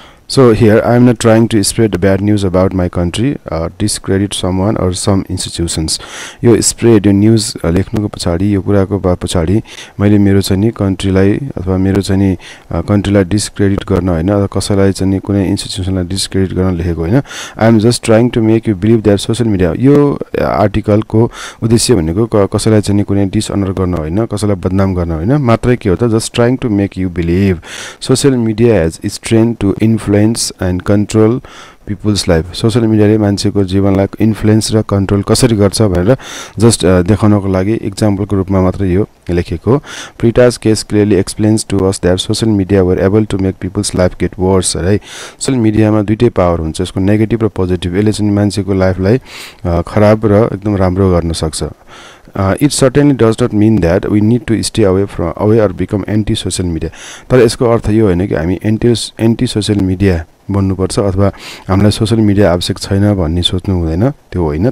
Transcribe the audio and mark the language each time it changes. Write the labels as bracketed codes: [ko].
[en] So here, I am not trying to spread bad news about my country, discredit someone or some institutions. [ne] यो spread यो news लेख्नुको पछाडि, यो कुराको पछाडि मैले मेरो चाहिँ नि कन्ट्रीलाई अथवा मेरो चाहिँ नि कन्ट्रीलाई डिस्क्रेडिट गर्न होइन, अथवा कसैलाई चाहिँ नि कुनै इन्स्टिट्युसनलाई डिस्क्रेडिट गर्न लेखेको होइन। [en] I am just trying to make you believe that social media, [ne] यो आर्टिकलको उद्देश्य भनेको कसैलाई चाहिँ नि कुनै डिसअनर गर्न होइन, कसैलाई बदनाम गर्न होइन, मात्रै के हो त, [en] Just trying to make you believe social media has strength to influence and control people's life. [ne] Social मिडियाले मान्छेको जीवनलाई इन्फ्लुएन्स र कन्ट्रोल कसरी गर्छ भनेर जस्ट देखाउनको लागि इक्जाम्पलको रूपमा मात्र यो लेखेको। [en] प्रिटाज case clearly explains to us that social media were able to make people's life get worse, है। [ne] सोसियल मिडियामा दुइटै पावर हुन्छ, यसको नेगेटिभ र पोजिटिभ, यसले चाहिँ मान्छेको लाइफलाई खराब र एकदम राम्रो गर्न सक्छ। [en] it certainly does not mean that we need to stay away from away or become anti social media, [ne] तर यसको अर्थ यो होइन कि हामी एन्टी सोसियल मिडिया बन्नुपर्छ अथवा हामीलाई सोसियल मिडिया आवश्यक छैन भन्ने सोच्नु हुँदैन, त्यो होइन।